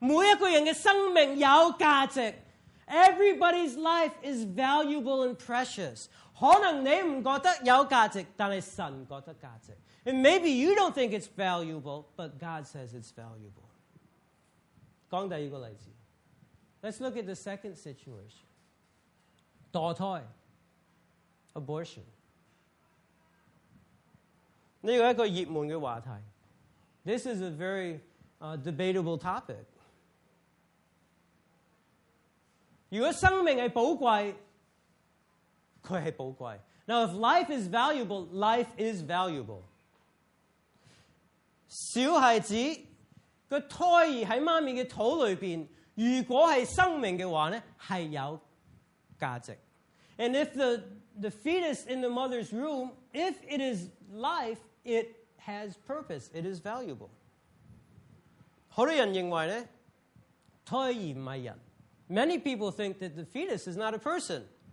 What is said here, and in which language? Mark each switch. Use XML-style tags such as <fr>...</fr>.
<yue>每一个人嘅生命有价值</yue> <en>，everybody's life is valuable and precious.</en> <yue>可能你唔觉得有价值，但系神觉得价值。</yue> <en>And maybe you don't think it's valuable, but God says it's valuable.</en> <yue>讲第二个例子</yue> <en>，let's look at the second situation.</en> <yue>堕胎</yue> <en>，abortion.</en> <yue>呢个一个热门嘅话题。</yue> <en>This is a very debatable topic.</en> <yue>如果生命系宝贵，佢係寶貴。</yue> <en>Now, if life is valuable, life is valuable.</en> <yue>小孩子個胎兒喺媽咪嘅肚裏邊，如果係生命嘅話咧，係有價值。</yue> <en>And if the fetus in the mother's room, if it is life, it has purpose. It is valuable.</en> <yue>好多人認為咧，胎兒唔係人。</yue> <en>Many people think that the fetus is not a person.</en>